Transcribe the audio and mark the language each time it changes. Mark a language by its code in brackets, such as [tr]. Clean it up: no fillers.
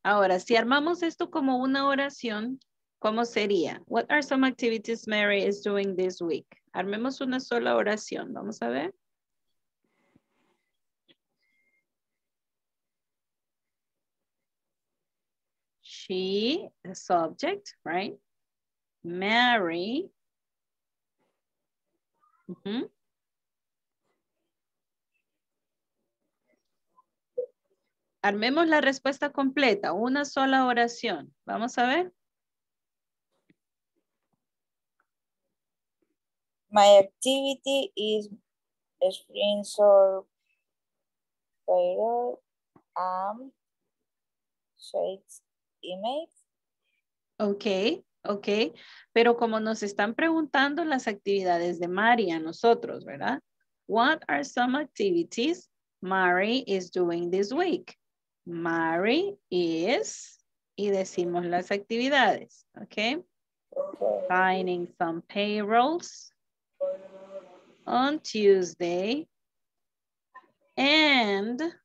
[es] Ahora, si armamos esto como una oración, ¿cómo sería? [en] What are some activities Mary is doing this week? [es] Armemos una sola oración. Vamos a ver. [en] she, the subject, right? Mary. Mm-hmm. [es] Armemos la respuesta completa, una sola oración. Vamos a ver. [en] My activity is spring sore payroll shades image. Okay, okay. [es] Pero como nos están preguntando las actividades de Mari a nosotros, ¿verdad? [en] What are some activities Mari is doing this week? Mari is, [es] y decimos las actividades, okay? [en] Okay. Signing some payrolls on Tuesday and